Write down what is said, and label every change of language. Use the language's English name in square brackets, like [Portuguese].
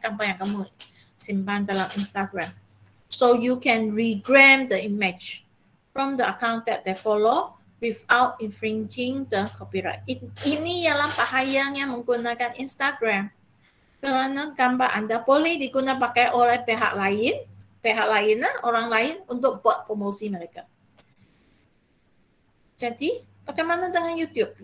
[Malay] Gambar yang kamu simpan dalam Instagram. [English] So you can regram the image from the account that they follow without infringing the copyright. [Malay] Ini ialah bahayanya menggunakan Instagram. Kerana gambar anda boleh digunakan oleh pihak lain, orang lain untuk buat promosi mereka. Jadi, bagaimana dengan YouTube?